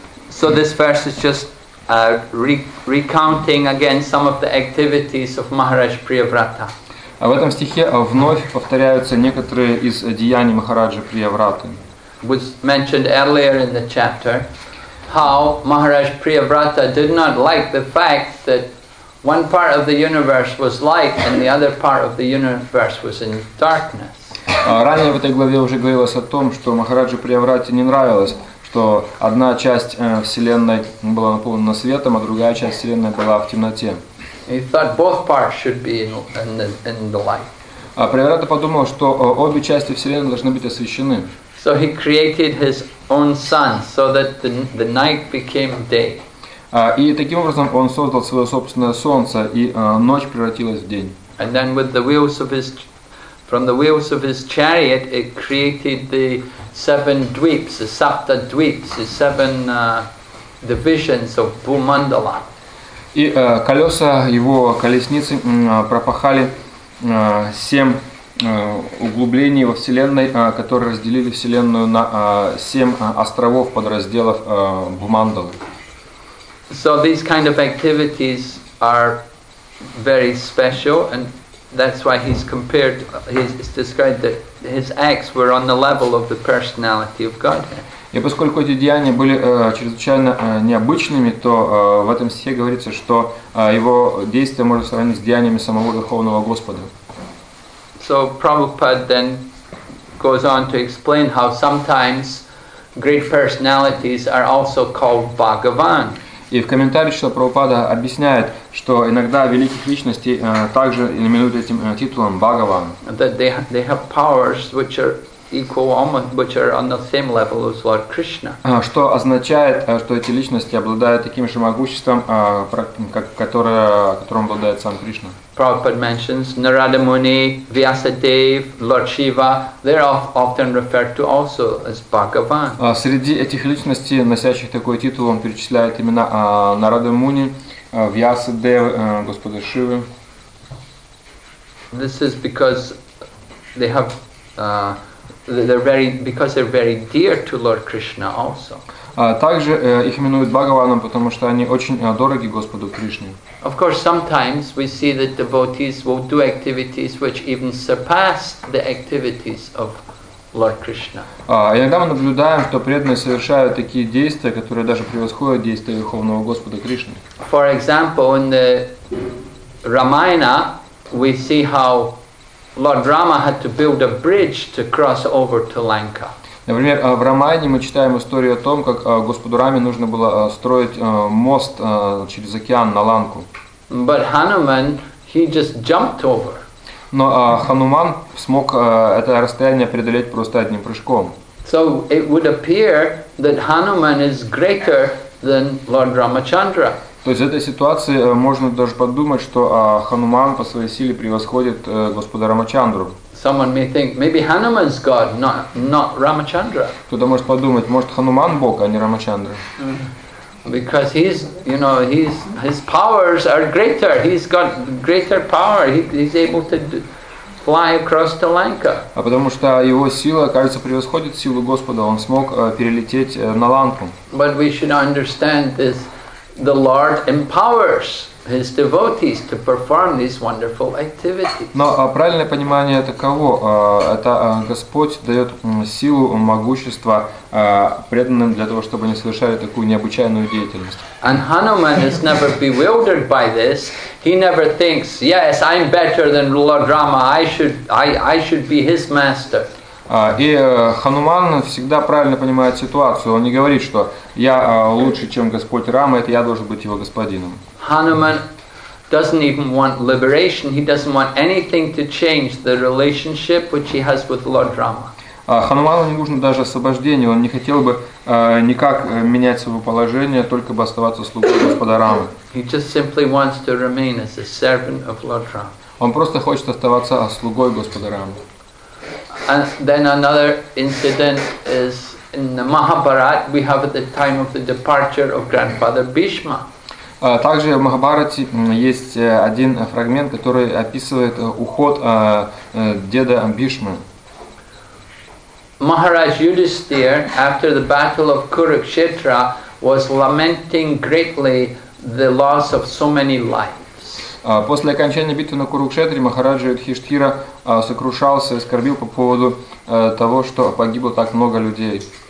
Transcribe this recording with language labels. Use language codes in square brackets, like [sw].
[en] So this verse is just recounting again some of the activities of Maharaj Priyavrata. [ru] А в этом стихе вновь повторяются некоторые из деяний Махараджи Приявраты. [en] Was mentioned earlier in the chapter how Maharaj Priyavrata did not like the fact that one part of the universe was light and the other part of the universe was in darkness. [ru] Ранее в этой главе уже говорилось о том, что Махараджи Приявраты не нравилось, что одна часть вселенной была наполнена светом, а другая часть вселенной была в темноте. [en] He thought both parts should be in the light. [ru] А Приявраты подумал, что обе части вселенной должны быть освещены. [en] So he created his own sun so that the night became day. [ru] И таким образом он создал свое собственное солнце, и ночь превратилась в день. [en] And then from the wheels of his chariot, it created the seven dweeps, the Sapta dweeps, the seven divisions of Bhumandala. [ru] И колеса его колесницы пропахали семь углублений во Вселенной, которые разделили Вселенную на семь островов под разделов Бумандалы. [en] So these kind of activities are very special, and that's why he's described that his acts were on the level of the personality of Godhead. [ru] И поскольку эти деяния были чрезвычайно необычными, то в этом стихе говорится, что его действия можно сравнить с деяниями самого Верховного Господа. [en] So Prabhupada then goes on to explain how sometimes great personalities are also called Bhagavan. [ru] И в комментарии что Прабхупада объясняет, что иногда великих личностей также именуют этим титулом Бхагаван. [en] That they have powers which are equal, almost which are on the same level as Lord Krishna. [ru] Что означает, что эти личности обладают таким же могуществом, которым обладает сам Кришна. [en] Prabhupada mentions Narada Muni, Vyasadev, Lord Shiva. They're often referred to also as Bhagavan. [ru] Среди этих личностей, носящих такой титул, он перечисляет имена Нарада Муни, Вьясадев, Господа Шивы. [en] This is because they have they're very dear to Lord Krishna also. [ru] Также их именуют Бхагаваном, потому что они очень дороги Господу Кришне. [en] Of course, sometimes we see that devotees will do activities which even surpass the activities of Lord Krishna. [ru] Иногда мы наблюдаем, что преданные совершают такие действия, которые даже превосходят действия Верховного Господа Кришны. [en] For example, in the Ramayana, we see how Lord Rama had to build a bridge to cross over to Lanka. [ru] Например, в Рамайне мы читаем историю о том, как Господу Раме нужно было строить мост через океан на Ланку. [en] But Hanuman, he just jumped over. [ru] Но Хануман смог это расстояние преодолеть просто одним прыжком. [en] So it would appear that Hanuman is greater than Lord Ramachandra. [ru] То есть в этой ситуации можно даже подумать, что Хануман по своей силе превосходит Господа Рамачандру. [en] Someone may think, maybe Hanuman's God, not Ramachandra. [ru] Кто-то может подумать, может Хануман Бог, а не Рамачандра. [en] Because his powers are greater. He's got greater power. He's able to fly across to Lanka. [ru] А потому что его сила, кажется, превосходит силу Господа. Он смог перелететь на Ланку. [en] But we should understand this. The Lord empowers his devotees to perform these wonderful activities. [ru] Но правильное понимание таково. Это Господь дает силу, могущество преданным для того, чтобы они совершали такую необычайную деятельность. [en] And Hanuman is never bewildered by this. He never thinks, yes, I'm better than Lord Rama. I should be his master. [ru] И Хануман всегда правильно понимает ситуацию. Он не говорит, что я лучше, чем Господь Рама, это я должен быть его господином. [en] Hanuman doesn't even want liberation. He doesn't want anything to change the relationship which he has with Lord Rama. [ru] Хануману не нужно даже освобождение. Он не хотел бы никак менять свое положение, только бы оставаться слугой Господа Рамы. [en] He just simply wants to remain as a servant of Lord Rama. [ru] Он просто хочет оставаться слугой Господа Рамы. [en] And then another incident is in the Mahabharata, we have at the time of the departure of Grandfather Bhishma. [ru] Также в Махабхарате есть один фрагмент, который описывает уход деда Бишмы. [en] Maharaj Yudhisthira, after the battle of Kurukshetra, was lamenting greatly the loss of so many lives. [ru] После окончания битвы на Курукшетре Махараджа Юдхиштхира сокрушался и скорбил по поводу того, что погибло так много людей.